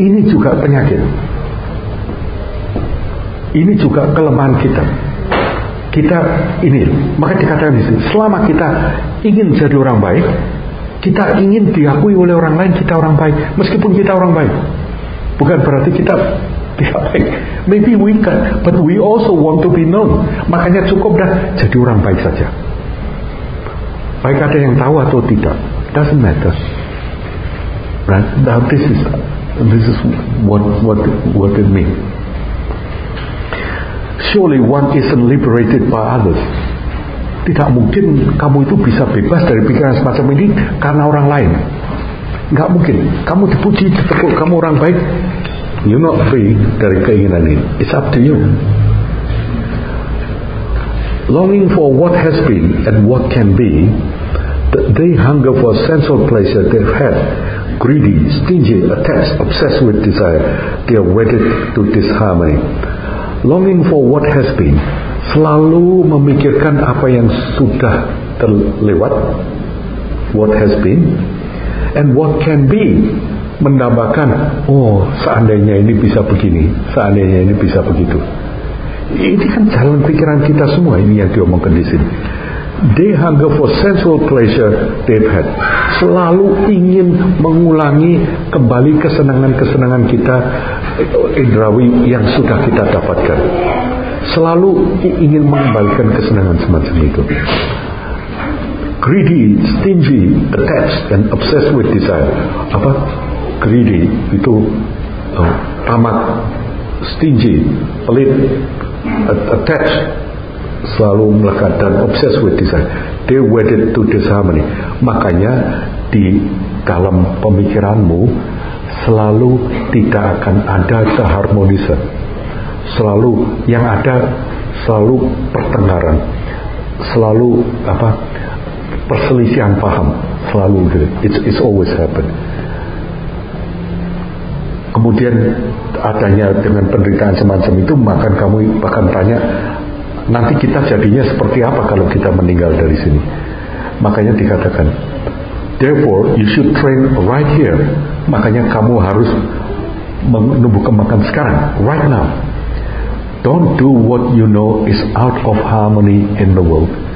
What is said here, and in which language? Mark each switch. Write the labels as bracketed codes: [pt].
[id] Ini juga penyakit, ini juga kelemahan kita. Kita ini, maka dikatakan di sini, selama kita ingin jadi orang baik, kita ingin diakui oleh orang lain kita orang baik, meskipun kita orang baik, bukan berarti kita tidak baik. [en] Maybe we can, but we also want to be known. [id] Makanya cukup dah jadi orang baik saja. Baik ada yang tahu atau tidak, [en] doesn't matter. Right? Now this is what it means. Surely one isn't liberated by others. [id] Tidak mungkin kamu itu bisa bebas dari pikiran semacam ini karena orang lain. Enggak mungkin. Kamu dipuji, ditepuk, kamu orang baik, [en] you're not free [id] dari keinginan ini. [en] It's up to you. Longing for what has been and what can be, they hunger for a sense of pleasure they've had. Greedy, stingy, attached, obsessed with desire, they are wedded to disharmony. Longing for what has been, [id] selalu memikirkan apa yang sudah terlewat, [en] what has been and what can be, [id] menambahkan, oh seandainya ini bisa begini, seandainya ini bisa begitu. Ini kan jalan pikiran kita semua, ini yang diomongkan di sini. [en] They hunger for sensual pleasure they've had. [id] Selalu ingin mengulangi kembali kesenangan-kesenangan kita indrawi yang sudah kita dapatkan. Selalu ingin mengembalikan kesenangan semacam itu. [en] Greedy, stingy, attached and obsessed with desire. [id] Apa? Greedy itu tamak, stingy, pelit, attached, selalu melekat dan [en] obsessed with desire. They wedded to disharmony. [id] Makanya di dalam pemikiranmu selalu tidak akan ada keharmonisan. Selalu yang ada selalu pertengkaran, selalu apa, perselisihan paham, selalu gitu. [en] It's always happen. [id] Kemudian adanya dengan penderitaan semacam itu, bahkan kamu bahkan tanya, nanti kita jadinya seperti apa kalau kita meninggal dari sini. Makanya dikatakan, [en] therefore you should train right here. [id] Makanya kamu harus menumbuh kembangkan sekarang, [en] right now. Don't do what you know is out of harmony in the world.